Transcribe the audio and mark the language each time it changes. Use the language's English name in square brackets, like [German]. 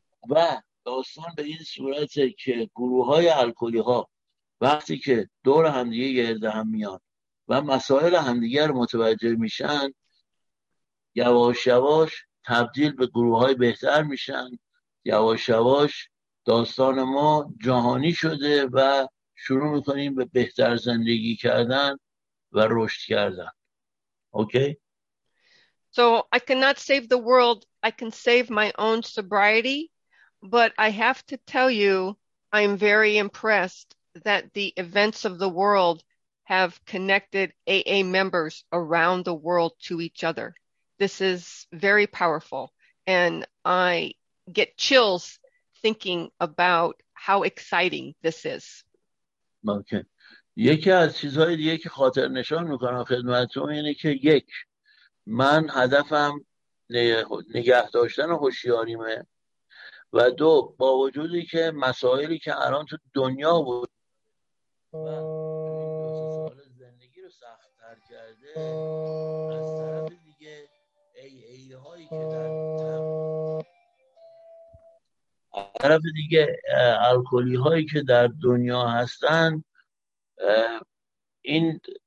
[Persian] و داستان به این صورته که گروه های الکلی ها وقتی که دور همدیگه گرد هم میان و مسائل همدیگه رو متوجه میشن، یواش یواش تبدیل به گروه های بهتر میشن، یواش یواش داستان ما جهانی شده و شروع میکنیم به بهتر زندگی کردن و رشد کردن. اوکی؟ [English] So I cannot save the world. I can save my own sobriety, but I have to tell you, I'm very impressed that the events of the world have connected AA members around the world to each other. This is very powerful, and I get chills thinking about how exciting this is. [Persian] ممکن. یکی از چیزهای دیگه که خاطر نشان میکنم خدمتتون اینه که یک، من هدفم نگه داشتن هوشیاریمه و دو، با وجودی که مسائلی که الان تو دنیا بود و سال زندگی رو سخت تر کرده، از طرف دیگه ای هایی که در طرف دیگه الکلی هایی که در دنیا هستن، این